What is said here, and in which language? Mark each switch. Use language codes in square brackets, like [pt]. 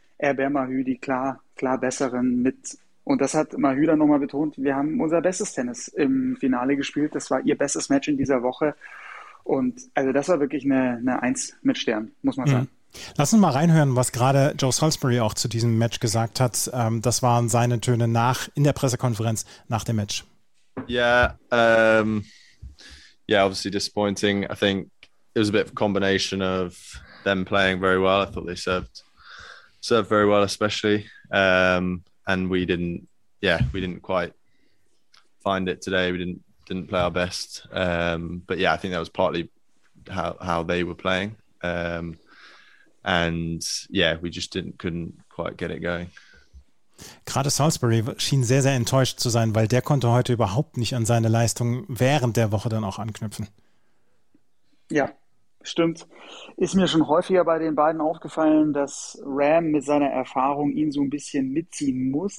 [de] Herbert Mahut, die klar besseren mit. Und das hat Mahut dann nochmal betont, wir haben unser bestes Tennis im Finale gespielt. Das war ihr bestes Match in dieser Woche. Und also das war wirklich eine Eins mit Stern, muss man sagen. Lass uns mal reinhören, was gerade Joe Salisbury auch zu diesem Match gesagt hat. Das waren seine Töne in der Pressekonferenz nach dem Match. [en] Yeah, obviously disappointing. I think it was a bit of a combination of them playing very well. I thought they served very well, especially. And we didn't quite find it today. We didn't play our best. But yeah, I think that was partly how they were playing. And yeah, we just couldn't quite get it going. [de] Gerade Salisbury schien sehr, sehr enttäuscht zu sein, weil der konnte heute überhaupt nicht an seine Leistung während der Woche dann auch anknüpfen. Ja, stimmt. Ist mir schon häufiger bei den beiden aufgefallen, dass Ram mit seiner Erfahrung ihn so ein bisschen mitziehen muss.